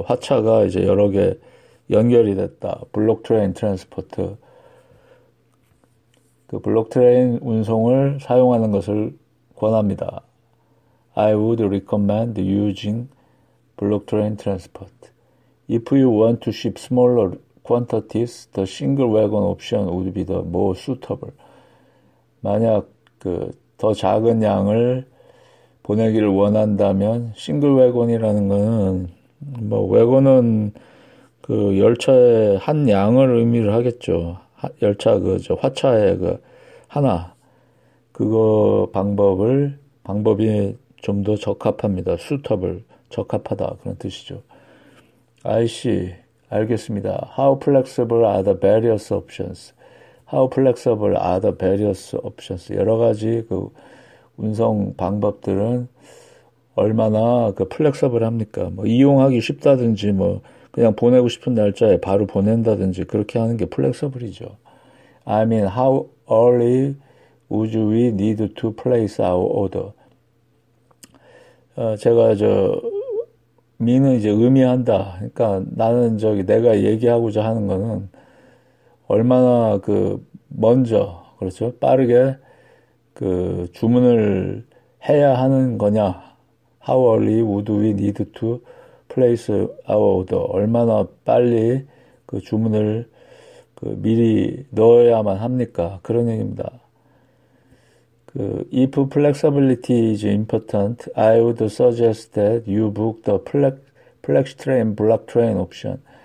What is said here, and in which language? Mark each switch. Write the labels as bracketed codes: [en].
[ko] 화차가 이제 여러 개 연결이 됐다. [en] Block train transport. [ko] 블록 트레인 운송을 사용하는 것을 권합니다. [en] I would recommend using block train transport. If you want to ship smaller quantities, the single wagon option would be the more suitable. [ko] 만약 더 작은 양을 보내기를 원한다면 싱글 웨건이라는 거는 뭐 웨건은 열차의 한 양을 의미를 하겠죠. 열차 저 화차의 하나 그거 방법이 좀 더 적합합니다. 수터블 적합하다 그런 뜻이죠. [en] I see. [ko] 알겠습니다. [en] How flexible are the various options? How flexible are the various options? [ko] 여러 가지 운송 방법들은 얼마나 플렉서블합니까? 뭐 이용하기 쉽다든지 뭐 그냥 보내고 싶은 날짜에 바로 보낸다든지 그렇게 하는 게 플렉서블이죠. [en] I mean, how early would we need to place our order? [ko] 제가 mean은 이제 의미한다. 그러니까 나는 내가 얘기하고자 하는 거는 얼마나 먼저 그렇죠? 빠르게 주문을 해야 하는 거냐? [en] How early would we need to place our order? [ko] 얼마나 빨리 주문을 미리 넣어야만 합니까? 그런 얘기입니다. [en] If flexibility is important, I would suggest that you book the FlexTrain block train option.